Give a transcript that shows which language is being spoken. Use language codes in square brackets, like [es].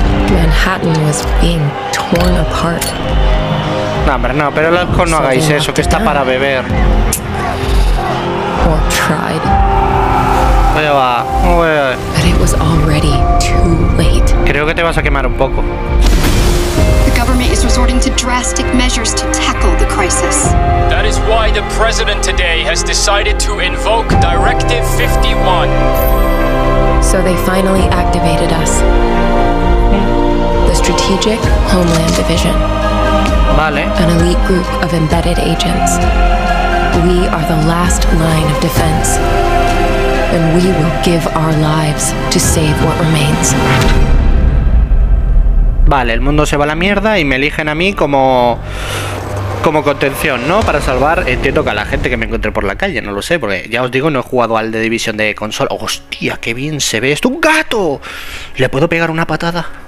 [en] Manhattan was being torn apart. [es] No, hombre, no, pero el alcohol no hagáis eso, que está para beber. [en] Or tried. [es] Vaya va, vaya. [en] But it was already too late. [es] Creo que te vas a quemar un poco. [en] Is resorting to drastic measures to tackle the crisis. That is why the president today has decided to invoke Directive 51. So they finally activated us. The Strategic Homeland Division. [es] Vale. [en] An elite group of embedded agents. We are the last line of defense. And we will give our lives to save what remains. [es] Vale, el mundo se va a la mierda y me eligen a mí como contención, ¿no? Para salvar, entiendo que a la gente que me encuentre por la calle, no lo sé, porque ya os digo, no he jugado al The Division de consola. ¡Hostia, qué bien se ve esto! ¡Un gato! ¿Le puedo pegar una patada?